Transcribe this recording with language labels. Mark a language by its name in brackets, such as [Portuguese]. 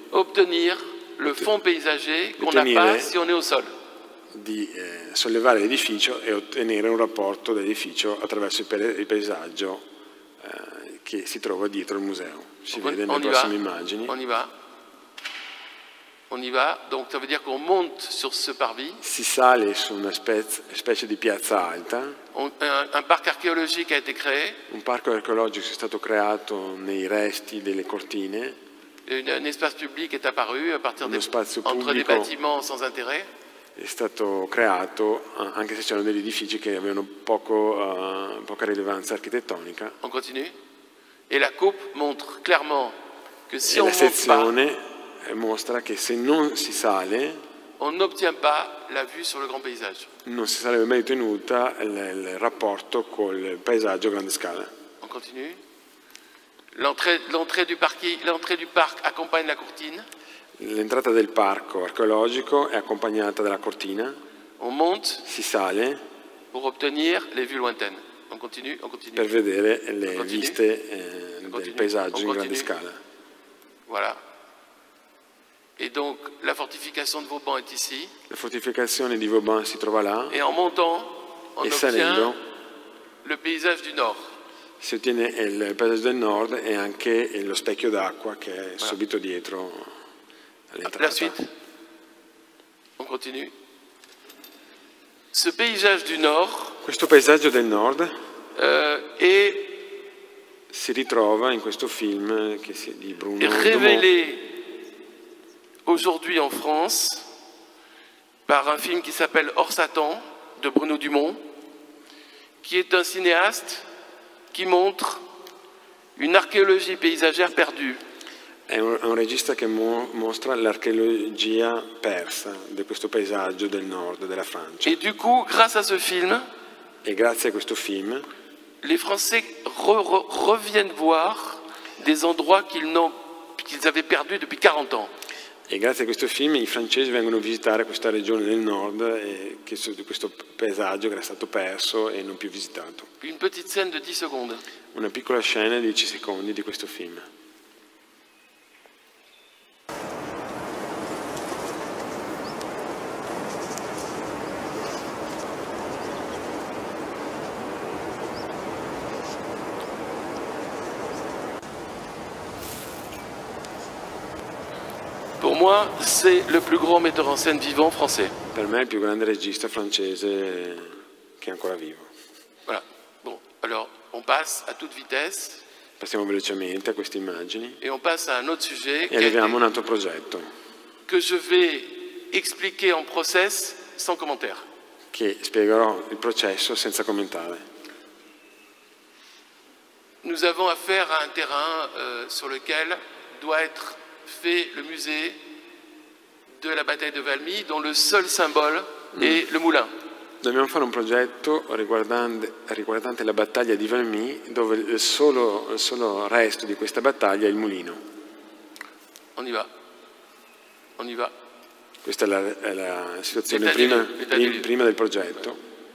[French] obtenir le fond paysager qu'on n'a pas si on est au sol, [Italian] di sollevare l'edificio e ottenere un rapporto dell'edificio attraverso il paesaggio che si trova dietro il museo. Si [French] on [Italian] vede nelle prossime immagini. [French] On y va. Donc ça veut dire qu'on monte sur ce parvis. [Italian] Si sale su una specie di piazza alta. [French] Un parco archeologico a été créé. [Italian] Un parco archeologico è stato creato nei resti delle cortine. [French] Un espace public est apparu à partir des entre des bâtiments sans intérêt. [Italian] È stato creato anche se c'erano degli edifici che avevano poca rilevanza architettonica. [French] On continue. Et la coupe montre clairement que si on ne monte pas, [Italian] mostra che se non si sale, [French] on n'obtient pas la vue sur le grand paysage. [Italian] Non si sarebbe mai ottenuta il rapporto col paesaggio a grande scala. [French] On continue. L'entrée du parc accompagne la cortina. [Italian] L'entrata del parco archeologico è accompagnata dalla cortina. [French] On monte. [Italian] Si sale. [French] Pour obtenir les vues lointaines. On continue. [Italian] Per vedere le viste del paesaggio in grande scala. [French] Voilà. Et donc la fortification de Vauban est ici. [Italian] La fortificazione di Vauban si trova là. [French] Et en montant, on obtient le paysage du nord. [Italian] Si ottiene il paesaggio del nord e anche lo specchio d'acqua che è subito dietro all'entrata. [French] La suite. On continue. Ce paysage du nord. [Italian] Questo paesaggio del nord. E si ritrova in questo film che si è di Bruno. [French] È rivelé aujourd'hui en France par un film qui s'appelle Hors Satan de Bruno Dumont, qui est un cinéaste qui montre une archéologie paysagère perdue. [Italian] È un regista che mostra l'archéologia persa di questo paesaggio del nord della Francia. [French] Et du coup, grâce à ce film, [Italian] et grazie a questo film, [French] les Français reviennent voir des endroits qu'ils avaient perdus depuis 40 ans. [Italian] E grazie a questo film i francesi vengono a visitare questa regione del nord che di questo paesaggio che era stato perso e non più visitato. [French] Une petite scène de 10 secondes. [Italian] Una piccola scena di 10 secondi di questo film. [French] Moi, c'est le plus grand metteur en scène vivant français. [Italian] Per me, il più grande regista francese che è ancora vivo. [French] Voilà. Bon, alors, on passe à toute vitesse. [Italian] Passiamo velocemente a queste immagini. [French] Et on passe à un autre sujet. [Italian] E arriviamo a un altro progetto. [French] Que je vais expliquer en process sans commentaire. [Italian] Che spiegherò il processo senza commentare. [French] Nous avons affaire à un terrain sur lequel doit être fait le musée de la bataille de Valmy, dont le seul symbole est le moulin. [Italian] Dobbiamo fare un progetto riguardante la battaglia di Valmy, dove il solo resto di questa battaglia è il mulino. [French] On y va. On y va. [Italian] Questa è la situazione prima del progetto.